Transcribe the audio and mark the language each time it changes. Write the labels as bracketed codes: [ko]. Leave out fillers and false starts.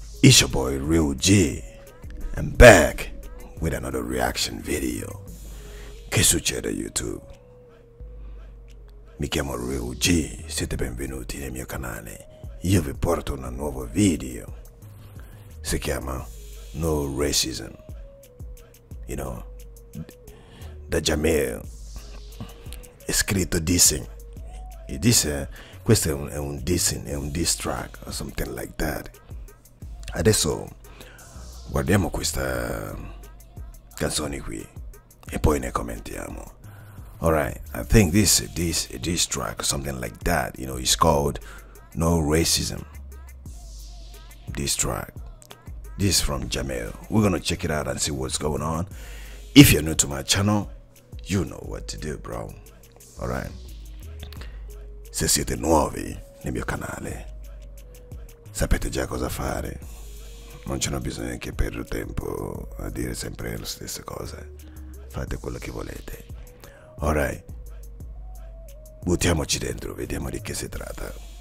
[en] It's your boy Real G, and back with another reaction video. [it] Che succede YouTube? Mi chiamo Real G, siete benvenuti nel mio canale. Io vi porto un nuovo video. Si chiama No Racism. [en] You know, [it] da Jamil. È scritto dissing. E disse, questo è un dissing, è un diss track [en] or something like that. [it] Adesso guardiamo questa canzone qui e poi ne commentiamo. [en] Alright, I think this track or something like that, you know, is called No Racism. This track. This is from Jamil. We're gonna check it out and see what's going on. If you're new to my channel, you know what to do, bro. Alright. [it] Se siete nuovi nel mio canale, sapete già cosa fare. Non c'è bisogno che perdo tempo a dire sempre le stesse cose. Fate quello che volete. Alright. Buttiamoci dentro, vediamo di che si tratta.